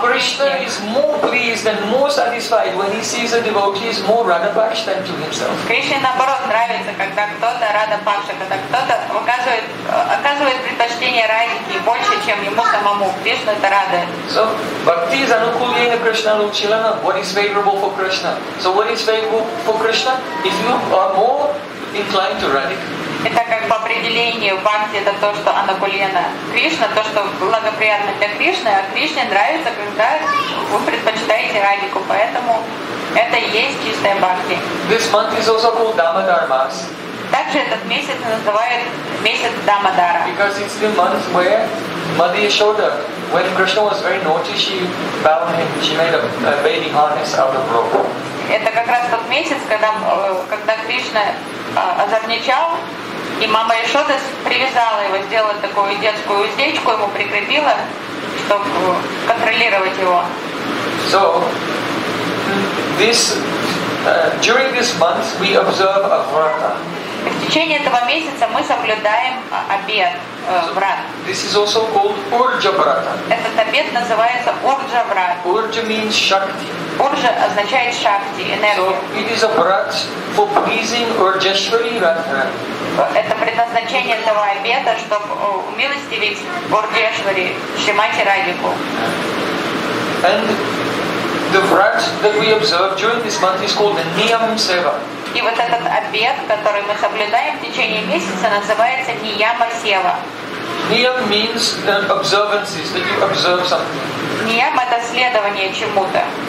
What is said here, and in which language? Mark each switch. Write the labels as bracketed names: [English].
[English] Because Krishna is more pleased and more satisfied when he sees a devotee is more Radha-paksha than to himself. [Russian] Кришне наоборот нравится, когда кто-то Радха-пакша, когда кто-то оказывает предпочтение Радхике больше, чем ему самому. Кришна это радует. [English] So bhakti is anukulyena Krishna luchilana. What is favorable for Krishna? So what is favorable for Krishna? If you are more inclined to Radhika. [Russian] Это как по определению бхакти это то, что анукулена Кришна, то, что благоприятно для Кришны, а Кришне нравится, когда вы предпочитаете Радику, поэтому это и есть чистая бхакти. [English] This month is also called Damodar Mass. [Russian] Также этот месяц называют месяц Дамодара. [English] Because it's the month where Mother Yashoda, when Krishna was very naughty, she bound him, she made a baby harness out of rope. [Russian] Это как раз тот месяц, когда Кришна озорничал, и мама Яшода привязала его, сделала такую детскую уздечку, ему прикрепила, чтобы контролировать его. [English] So, this, during this month we observe a vrata. [Russian] В течение этого месяца мы соблюдаем обет, врат. [English] This is also called Urja-vrata. [Russian] Этот обет называется Urja-vrata. [English] Urja means Shakti. [Russian] Urja означает Shakti, энергия. [English] So it is a vrat for pleasing Urjeshwari Radha. [Russian] Это предназначение этого обета, чтобы умилостивить Урджешвари, Шримати Радику. [English] And the rut that we observe during this month is called the Niyam Seva. [Russian] И вот этот обед, который мы соблюдаем в течение месяца, называется Niyama Seva. [English] Niyam means the observances, that you observe something. [Russian] Niyam — это следование чему-то.